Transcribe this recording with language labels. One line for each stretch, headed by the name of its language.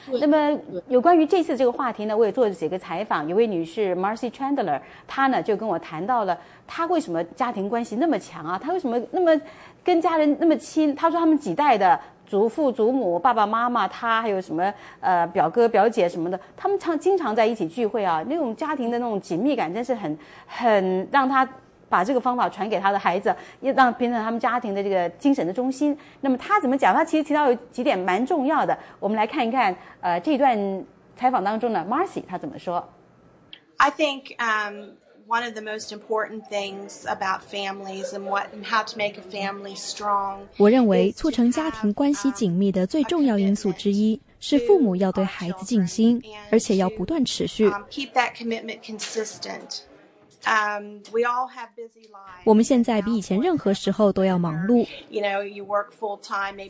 Chinese: 那么有关于这次这个话题呢，我也做了几个采访，有位女士 Marcy Chandler， 她呢就跟我谈到了她为什么家庭关系那么强啊，她为什么那么跟家人那么亲，她说他们几代的祖父祖母爸爸妈妈他还有什么表哥表姐什么的，他们经常在一起聚会啊，那种家庭的那种紧密感真是很让他把这个方法传给他的孩子，也让变成他们家庭的这个精神的中心。那么他怎么讲，他其实提到有几点蛮重要的，我们来看一看这段采访当中呢 Marcy 他怎么说。
English: I think one of the most important things about families and what and how to make a family strong.
Chinese: 我认为促成家庭关系紧密的最重要因素之一是父母要对孩子尽心，而且要不断持续。
English: Keep that commitment consistent. We all have busy lives.
Chinese: 我们现在比以前任何时候都要忙碌。
English: You know, you work full time.